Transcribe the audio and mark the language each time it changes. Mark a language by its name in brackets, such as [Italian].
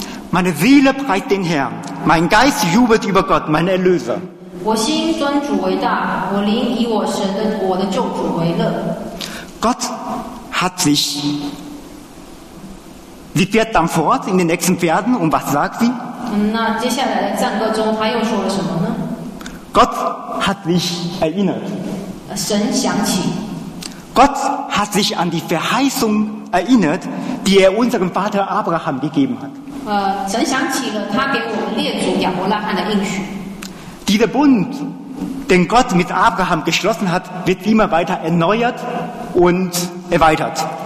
[German] Meine Seele preist den Herrn. Mein Geist jubelt über Gott, mein Erlöser. [Chinese] 我心尊主为大，我灵以我神的我的救主为乐。 [German] Gott hat sich. Sie fährt dann fort in den nächsten Versen und was sagt sie? [Chinese] 那接下来的赞歌中，他又说了什么呢 [German] ？Gott hat sich erinnert. [Chinese] 神想起。 [German] Gott hat sich an die Verheißung erinnert, die er unserem Vater Abraham gegeben hat. [Chinese] 神想起了他给我们列祖亚伯拉罕的应许。 [German] Dieser Bund, den Gott mit Abraham geschlossen hat, wird immer weiter erneuert und erweitert.